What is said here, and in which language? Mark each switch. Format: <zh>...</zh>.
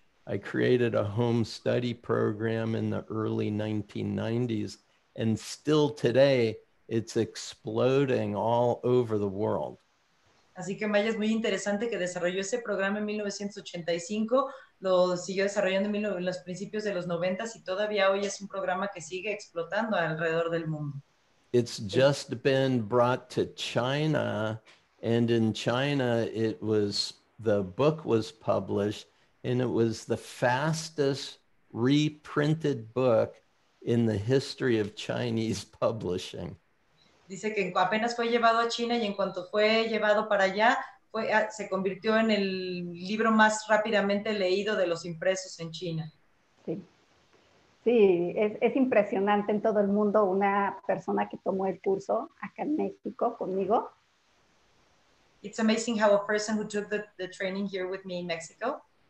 <en>I created a home study program in the early 1990s, and still today it's exploding all over the world.</en> <es>Así que Maya, es muy interesante que desarrolló ese programa en 1985, lo siguió desarrollando en los principios de los 90s, y todavía hoy es un programa que sigue explotando alrededor del mundo.</es> <en>It's just been brought to China, and in China the book was published, and it was the fastest reprinted book in the history of Chinese publishing.</en> <es>Dice que apenas fue llevado a China y en cuanto fue llevado para allá, se convirtió en el libro más rápidamente leído de los impresos en China. Sí, es impresionante en todo el mundo una persona que tomó el curso acá en México conmigo.</es> <en>It's amazing how a person who took the training here with me in Mexico.</en>